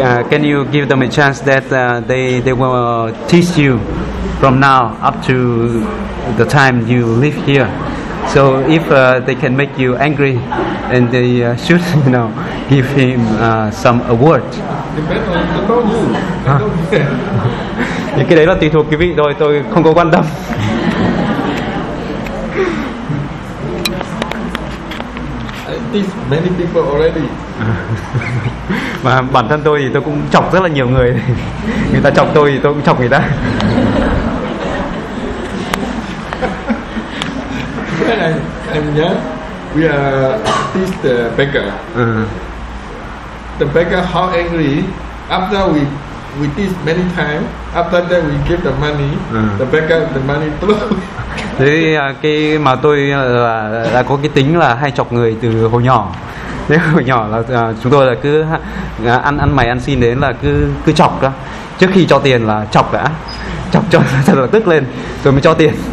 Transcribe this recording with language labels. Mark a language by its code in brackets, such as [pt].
[en] Can you give them a chance that they will teach you from now up to the time you live here? So if they can make you angry, and they should, you know, give him some award. Depends on you. [vi] Những cái đấy là tùy thuộc quý vị thôi, tôi không có quan tâm. [en] Many people already. [vi] Mà bản thân tôi thì tôi cũng chọc rất là nhiều người. Người ta chọc tôi thì tôi cũng chọc người ta. [en] I'm young. We are teach the beggar. The beggar how angry after we teach many times. After that we give the money. The beggar the money through. [vi] Thế thì cái mà tôi là có cái tính là hay chọc người từ hồi nhỏ. Thế hồi nhỏ là chúng tôi là cứ ăn mày ăn xin đến là cứ chọc đó. Trước khi cho tiền là chọc đã. Chọc cho thật là tức lên rồi mới cho tiền.